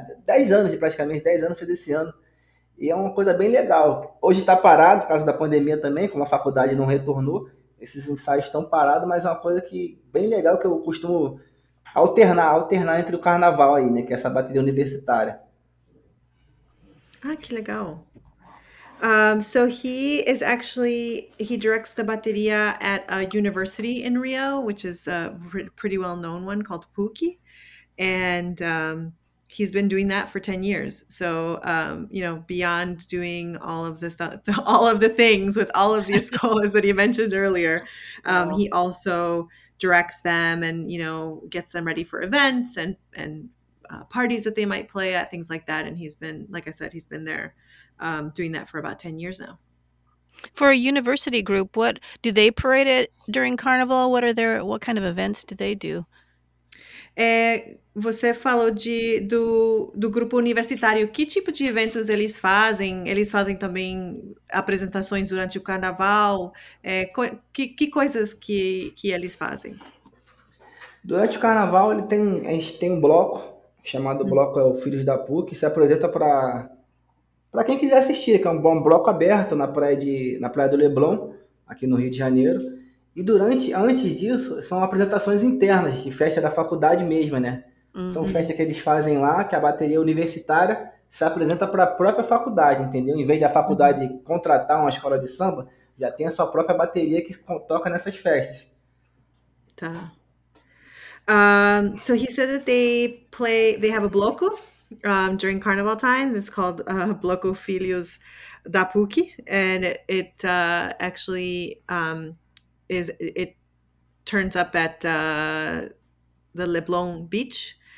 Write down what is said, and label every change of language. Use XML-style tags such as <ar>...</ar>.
<pt>10 anos, praticamente, 10 anos foi desse ano. E é uma coisa bem legal. Hoje está parado, por causa da pandemia também, como a faculdade não retornou. Esses ensaios estão parados, mas é uma coisa que bem legal que eu costumo... Alternar entre o carnaval aí, né? Que é essa bateria universitária. Ah, que legal.</pt> <en>So he is actually, he directs the bateria at a university in Rio, which is a pretty well-known one called PUC. And he's been doing that for 10 years. So, you know, beyond doing all of the things with all of the escolas that he mentioned earlier, he also... directs them and, you know, gets them ready for events and parties that they might play at, things like that. And he's been, like I said, he's been there doing that for about 10 years now. For a university group, what do they parade it during carnival? What kind of events do they do?</en> <pt>Você falou do grupo universitário. Que tipo de eventos eles fazem? Eles fazem também apresentações durante o carnaval? Que coisas que eles fazem? Durante o carnaval, a gente tem um bloco, chamado Bloco é o Filhos da PUC, que se apresenta para quem quiser assistir, que é um bom bloco aberto na praia do Leblon, aqui no Rio de Janeiro. E antes disso, são apresentações internas, de festa da faculdade mesmo, né? Uhum. São festas que eles fazem lá, que a bateria universitária se apresenta para a própria faculdade, entendeu? Em vez da faculdade contratar uma escola de samba, já tem a sua própria bateria que toca nessas festas. Tá.</pt> <en>So he said that they have a bloco during carnival time. It's called Bloco Filhos da PUC. And it actually... is it turns up at the Leblon beach.</en>